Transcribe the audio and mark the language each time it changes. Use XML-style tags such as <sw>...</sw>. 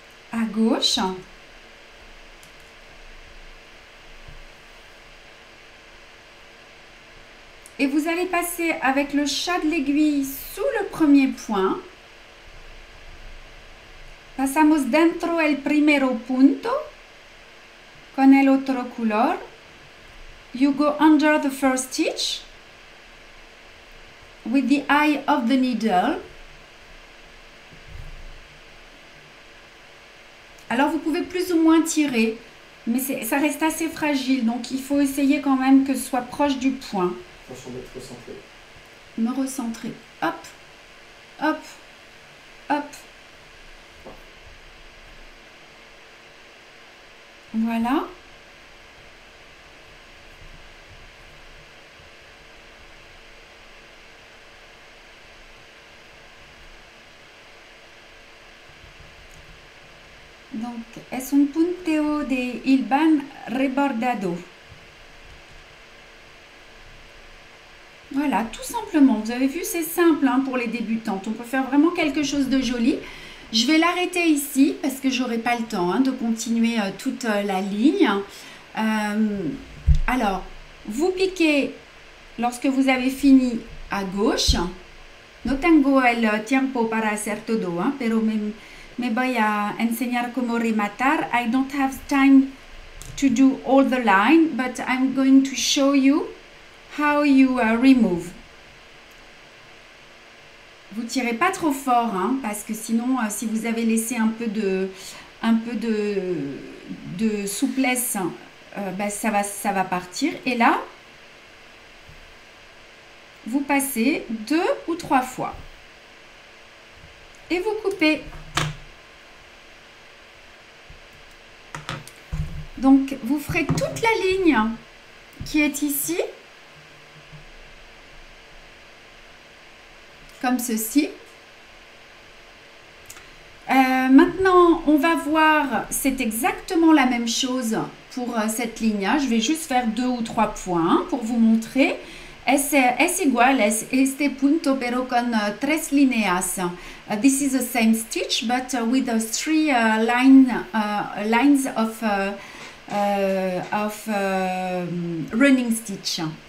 <fr>À gauche. Et vous allez passer avec le chat de l'aiguille sous le premier point.</fr> <es>Pasamos dentro el primero punto con el otro color.</es> <en>You go under the first stitch with the eye of the needle.</en> <fr>Alors, vous pouvez plus ou moins tirer, mais ça reste assez fragile. Donc, il faut essayer quand même que ce soit proche du point. Faut se recentrer. Me recentrer. Hop, hop, hop. Voilà.</fr> <es>Donc, es un punteo de hilvan rebordado.</es> <fr>Voilà, tout simplement. Vous avez vu, c'est simple hein, pour les débutantes. On peut faire vraiment quelque chose de joli. Je vais l'arrêter ici parce que je n'aurai pas le temps hein, de continuer toute la ligne. Alors, vous piquez lorsque vous avez fini à gauche.</fr> <es>No tengo el tiempo para hacer todo, hein, pero me voy a enseñar cómo rematar.</es> <en>I don't have time to do all the line, but I'm going to show you how you remove.</en> <fr>Vous tirez pas trop fort, hein, parce que sinon, si vous avez laissé un peu de souplesse, ça va partir. Et là, vous passez deux ou trois fois. Et vous coupez. Donc, vous ferez toute la ligne qui est ici, comme ceci. Maintenant, on va voir, c'est exactement la même chose pour cette ligne. Hein. Je vais juste faire deux ou trois points pour vous montrer.</fr> <es>Es igual, es este punto, pero con tres líneas.</es> <en>This is the same stitch, but with those three lines of running stitch.</en>